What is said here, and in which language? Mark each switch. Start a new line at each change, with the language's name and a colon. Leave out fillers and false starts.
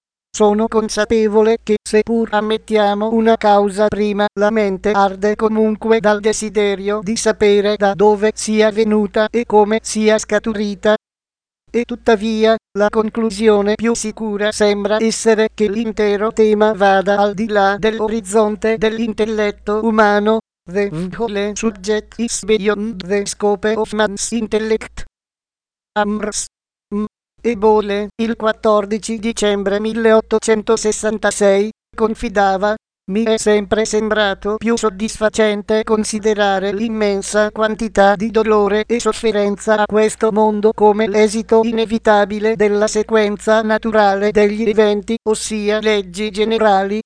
Italian: Sono consapevole che, seppur ammettiamo una causa prima, la mente arde comunque dal desiderio di sapere da dove sia venuta e come sia scaturita. E tuttavia, la conclusione più sicura sembra essere che l'intero tema vada al di là dell'orizzonte dell'intelletto umano.
English: The whole subject is beyond the scope of man's intellect. Amrs.
Italian: Ebole, il 14 dicembre 1866, confidava: mi è sempre sembrato più soddisfacente considerare l'immensa quantità di dolore e sofferenza a questo mondo come l'esito inevitabile della sequenza naturale degli eventi, ossia leggi generali,